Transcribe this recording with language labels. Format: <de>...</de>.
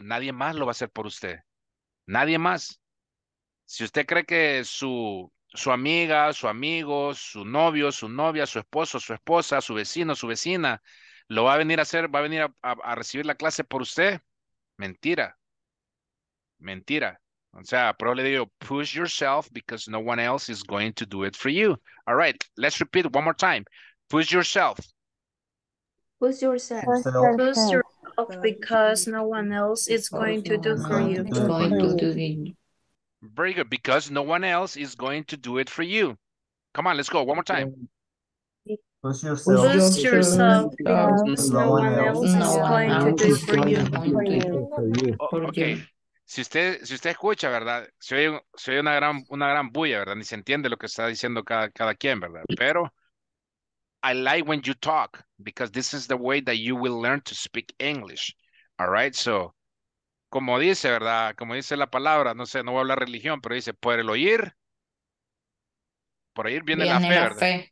<es>Nadie más lo va a hacer por usted. Nadie más. Si usted cree que su amiga, su amigo, su novio, su novia, su esposo, su esposa, su vecino, su vecina, lo va a venir a hacer, va a venir a recibir la clase por usted, mentira. Mentira. O sea, pero le digo,</es> <en>push yourself because no one else is going to do it for you. All right, let's repeat one more time. Push yourself. Push yourself. Push yourself because no one else is going to do for you. Going to do it. Very good, because no one else is going to do it for you. Come on, let's go, one more time. Boost yourself, because no one else is going to do it for you.</en> <es>Okay, si usted escucha, ¿verdad? Se oye una gran bulla, ¿verdad? Ni se entiende lo que está diciendo cada quien, ¿verdad?</es> <en>Pero I like when you talk, because this is the way that you will learn to speak English.</en> <es>All right, so, como dice, ¿verdad? Como dice la palabra, no sé, no voy a hablar religión, pero dice, por el oír, por oír viene la fe, ¿verdad?</es>